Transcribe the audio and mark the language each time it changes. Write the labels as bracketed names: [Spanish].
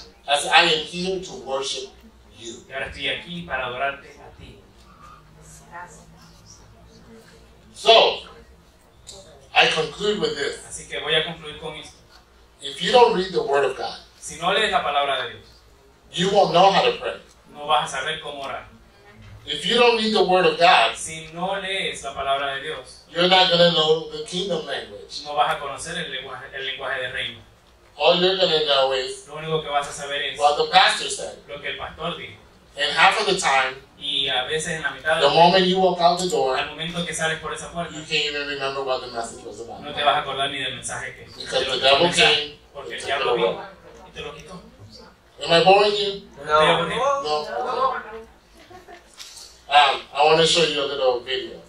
[English] As I am here to worship you. [Spanish] Y ahora estoy aquí para adorarte a ti. [English] So, I conclude with this. [Spanish] Así que voy a concluir con esto. [English] If you don't read the word of God, [Spanish] si no lees la palabra de Dios, [English] you won't know how to pray. [Spanish] No vas a saber cómo orar. [English] If you don't read the word of God, [Spanish] si no lees la palabra de Dios, [English] you're not going to know the kingdom language. [Spanish] No vas a conocer el lenguaje del reino. [English] All you're going to know is [Spanish] lo único que vas a saber es [English] what the pastor said. [Spanish] Lo que el pastor dijo. [English] And half of the time, [Spanish] y a veces en la mitad [English] the moment you walk out the door, [Spanish] al momento que sales por esa puerta, [English] you can't even remember what the message was about. [Spanish] No te vas a acordar ni del mensaje que [English] because the devil came, [Spanish] porque el diablo vino y te lo quitó. [English] Am I boring you? No. I want to show you a little video.